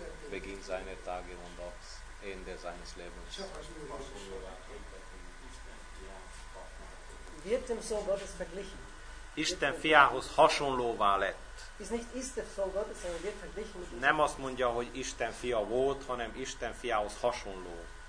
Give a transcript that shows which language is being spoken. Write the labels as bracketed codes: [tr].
[de] Beginn seine Tage und das Ende seines Lebens. Wird dem Sohn Gottes verglichen. [hu] Isten fiához hasonlóvá lett. [de] Ist nicht ist der Sohn Gottes, sondern wird verglichen. [hu] Nem azt mondja, hogy Isten fia volt, hanem Isten fiához hasonló.